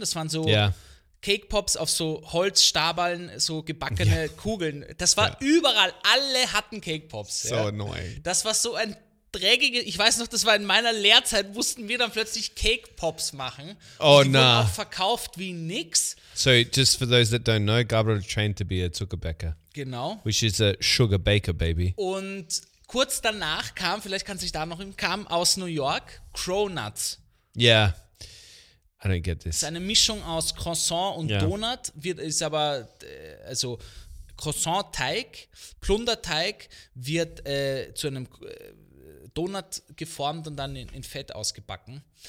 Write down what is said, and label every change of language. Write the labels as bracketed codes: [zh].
[de] Das waren so Cake Pops auf so Holzstaballen, so gebackene Kugeln. Das war überall, alle hatten Cake Pops. [en] So annoying. [de] Das war so ein dreckige, ich weiß noch, das war in meiner Lehrzeit, mussten wir dann plötzlich Cake Pops machen. Oh, nein. Nah. Auch verkauft wie nix. [en] So, just for those that don't know, Gabriel trained to be a Zuckerbäcker. [de] Genau. [en] Which is a sugar baker, baby. [de] Und kurz danach kam, vielleicht kannst du dich da noch hin, kam aus New York, Cronuts. [en] Yeah, I don't get this. [de] Das ist eine Mischung aus Croissant und yeah. Donut, wird, ist aber, also Croissant-Teig, Plunderteig wird zu einem Donut geformt und dann in Fett ausgebacken.